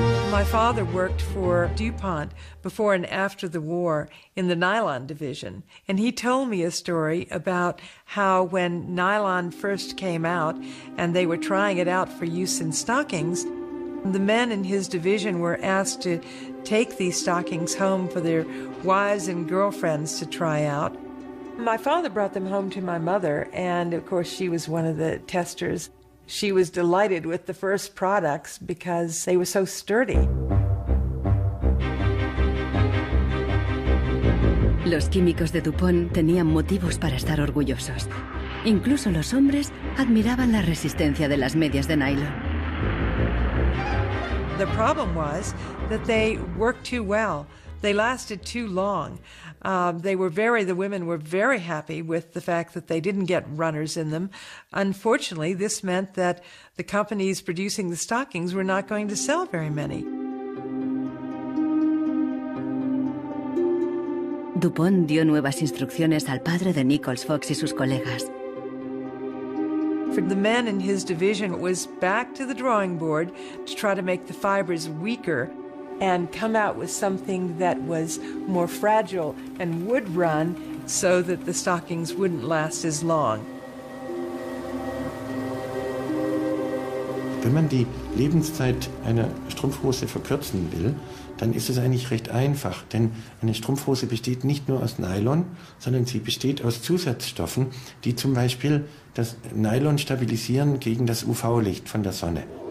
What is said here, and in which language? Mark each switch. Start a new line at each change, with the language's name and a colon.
English: My father worked for DuPont before and after the war in the nylon division, and he told me a story about how when nylon first came out and they were trying it out for use in stockings, the men in his division were asked to take these stockings home for their wives and girlfriends to try out. My father brought them home to my mother, and of course she was one of the testers. She was delighted with the first products because they were so sturdy.
Spanish: Los químicos de DuPont tenían motivos para estar orgullosos. Incluso los hombres admiraban la resistencia de las medias de nylon.
English: The problem was that they worked too well. They lasted too long. The women were very happy with the fact that they didn't get runners in them. Unfortunately, this meant that the companies producing the stockings were not going to sell very many.
Spanish: DuPont dio nuevas instrucciones al padre de Nichols Fox y sus colegas.
English: For the man in his division was back to the drawing board to try to make the fibers weaker and come out with something that was more fragile and would run so that the stockings wouldn't last as long.
German: Wenn man die Lebenszeit einer Strumpfhose verkürzen will, dann ist es eigentlich recht einfach, denn eine Strumpfhose besteht nicht nur aus Nylon, sondern sie besteht aus Zusatzstoffen, die zum Beispiel das Nylon stabilisieren gegen das UV-Licht von der Sonne.